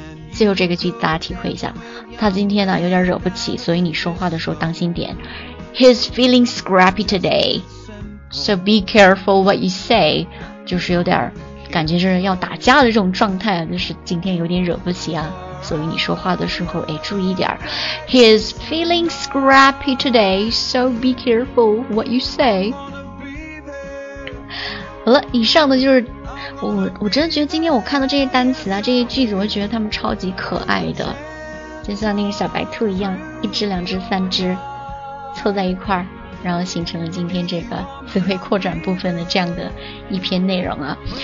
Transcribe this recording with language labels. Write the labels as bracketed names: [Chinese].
[Chinese] 最后这个句大家体会一下，他今天呢有点惹不起，所以你说话的时候当心点。 [English] He's feeling scrappy today, so be careful what you say。 [Chinese] 就是有点感觉是要打架的这种状态，就是今天有点惹不起啊，所以你说话的时候哎注意点。 [English] He's feeling scrappy today, so be careful what you say。 [Chinese] 好了，以上的就是我真的觉得今天我看到这些单词啊，这些句子，我觉得他们超级可爱的，就像那个小白兔一样，一只两只三只凑在一块儿，然后形成了今天这个词汇扩展部分的这样的一篇内容啊。